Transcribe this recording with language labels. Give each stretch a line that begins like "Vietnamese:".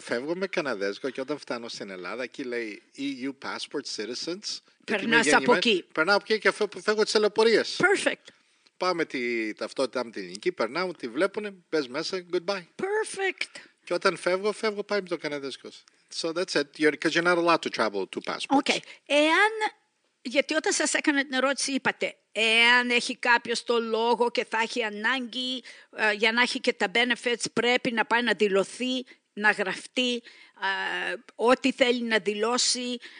Greek: Φεύγω με καναδέζικο και όταν φτάνω στην Ελλάδα, εκεί λέει
English: EU passport citizens.
Greek: Περνάς από εκεί. Περνάω από εκεί και φεύγω τις ελεπορίες.
English: Perfect.
Greek: Πάω με τη ταυτότητα με την ελληνική, περνάω, τη βλέπουν, πες μέσα,
English: goodbye. Perfect.
Greek: Και όταν φεύγω, φεύγω πάλι με το καναδέζικο.
English: So that's it, because you're not allowed to travel two passports. Okay.
Greek: Εάν, γιατί όταν σας έκανα την ερώτηση είπατε, εάν έχει κάποιος το λόγο και θα έχει ανάγκη για να έχει και τα benefits, πρέπει να πάει να δηλωθεί, να γραφτεί, ό,τι θέλει να δηλώσει.